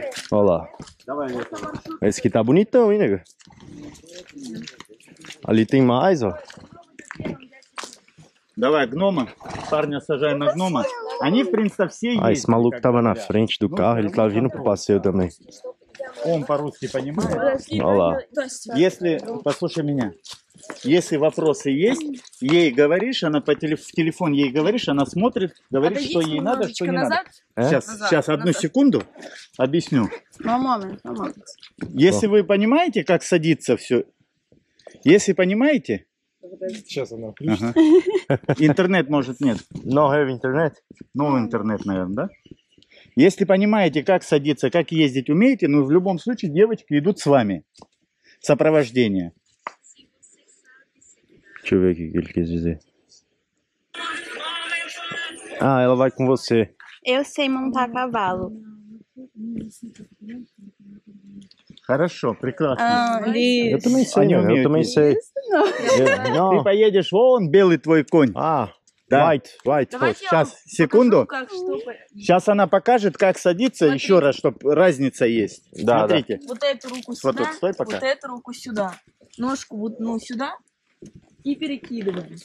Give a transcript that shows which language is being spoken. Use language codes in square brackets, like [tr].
[pt] Olha lá. Esse aqui tá bonitão, hein, nega? Ali tem mais, ó. [ru] Давай, гнома. Парня сажаем на гнома. Они, в принципе, все есть. [pt] Ah, esse maluco tava na frente do carro, ele tá vindo pro passeio também. [ru] Он по-русски понимает. [pt] Olha lá. [ru] Если, послушай меня. Если вопросы есть, ей говоришь, она по телефону ей говоришь, она смотрит, говорит, что ей надо, что не надо. Сейчас, сейчас одну секунду объясню. Если вы понимаете, как садится все, если понимаете, сейчас она включит. Интернет, может, нет. [en] No have internet. [ru] No интернет, наверное, да? Если понимаете, как садиться, как ездить умеете, ну, в любом случае, девочки идут с вами. Сопровождение. [pt] Deixa eu ver o que ele quis dizer. Ah, ela vai com você. Eu sei montar cavalo. [ru] Хорошо, прекрасно. [pt] Eu também sei, eu também sei. [ru] Ты поедешь вон, белый твой конь. [en] Ah, да. White, white. [ru] Сейчас, секунду. Сейчас она покажет, как садиться еще раз, чтобы разница есть. Да, смотрите. Да. Вот эту руку сюда, вот, стой пока. Вот эту руку сюда. Ножку вот ну, сюда. И перекидываем.